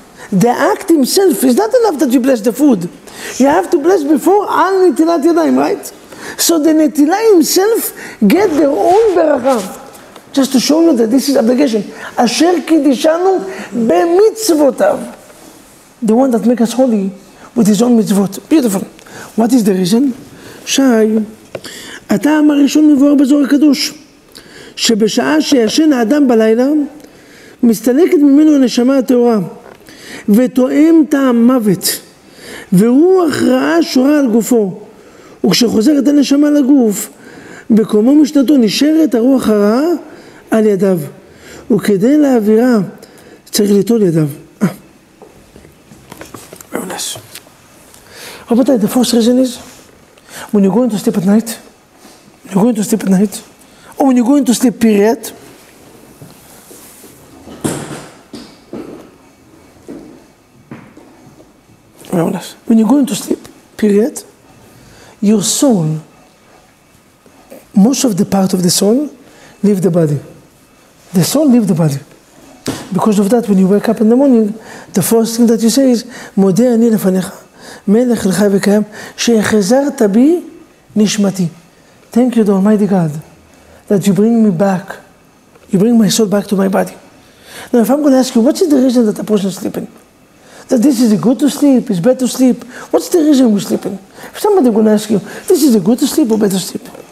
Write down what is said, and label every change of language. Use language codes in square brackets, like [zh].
[en] The act himself is not enough that you bless the food. You have to bless before al netilat yadayim, right? So the netilah himself get their own beracha. Just to show you that this is obligation. [he] Asher kidishanu b'mitzvotav. [en] The one that makes us holy with his own mitzvot. Beautiful. What is the reason? [he] Shai, הטעם הראשון מבואר בזוהר הקדוש, שבשעה שישן האדם בלילה, מסתלקת ממנו הנשמה הטהורה, ותואם טעם מוות, ורוח רעה שורה על גופו, וכשחוזרת הנשמה לגוף, בקומו משנתו נשארת הרוח הרעה על ידיו, וכדי להעבירה צריך ליטול ידיו. [en] רבותיי, the first reason is, when you go into sleep at night, you're going to sleep at night, or when you're going to sleep period, when you're going to sleep period, your soul, most of the part of the soul, leave the body. The soul leave the body. Because of that, when you wake up in the morning, the first thing that you say is, [he] מודה אני לפניך. מלך לחי וקיים, שחזרת בי נשמתי. [en] Thank you, the Almighty God, that you bring me back. You bring my soul back to my body. Now, if I'm going to ask you, what's the reason that a person is sleeping? That this is a good to sleep, is bad to sleep? What's the reason we're sleeping? If somebody is going to ask you, this is a good to sleep or bad to sleep?